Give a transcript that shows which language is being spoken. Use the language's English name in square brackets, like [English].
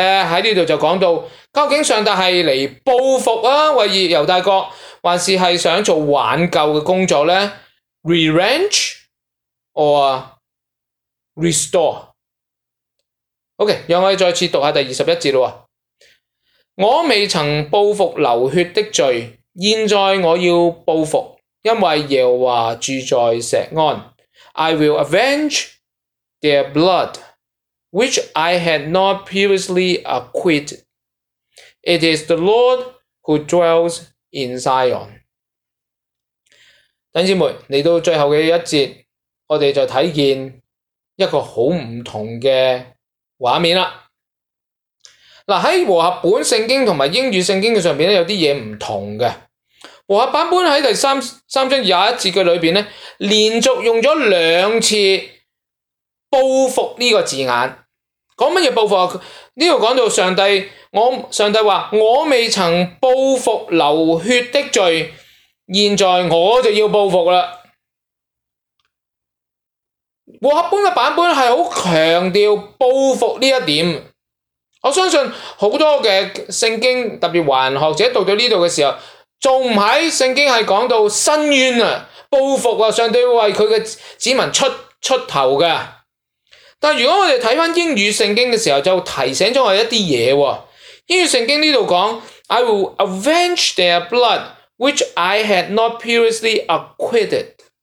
[Cantonese] 喺呢度就讲到，究竟上帝系嚟报复啊，为犹大国，还是系想做挽救嘅工作呢 ？ [English] Revenge or restore？ [Cantonese] OK， 让我哋再次读下第21节咯。我未曾报复流血的罪，现在我要报复，因为耶和华住在锡安。 [English] I will avenge their blood. Which I had not previously acquitted. It is the Lord who dwells in Zion。 [Cantonese] 弟兄姊妹，来到最后的一节，我们就看见一个很不同的画面了。在和合本圣经和英语圣经上面有些东西不同的。和合版本在第三章21节里面连续用了两次报复这个字眼。讲什么报复？这里讲到上帝说，我未曾报复流血的罪，现在我就要报复了。和合本的版本是很强调报复这一点。我相信很多的圣经，特别神学者读到这里的时候，仲唔喺圣经系讲到伸冤啊、报复啊，上帝为佢嘅子民出头嘅。但如果我哋睇翻英语圣经嘅时候，就提醒咗我一啲嘢。英语圣经呢度讲 ， [English] I will avenge their blood which I had not previously acquitted。